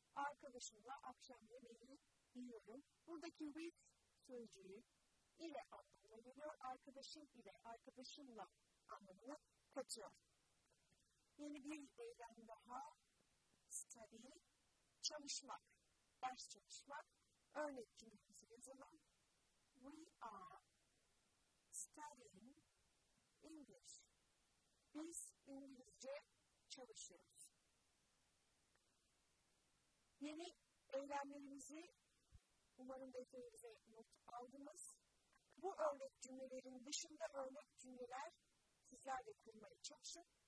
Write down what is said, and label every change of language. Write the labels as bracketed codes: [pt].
[tr] Arkadaşımla akşam yemeği yiyorum. Buradaki with sözcüğü ile anlamına geliyor. Arkadaşım ile, arkadaşımla anlamına katıyor. Yeni bir eylem daha. Study, çalışmak, ders çalışmak. Örnek cümlemizi yazalım. [en] We are studying English. [tr] Biz İngilizce çalışıyoruz. Yeni öğrenmelerimizi umarım defterinize not aldınız. Bu örnek cümlelerin dışında örnek cümleler sizler de kurmaya çalışın.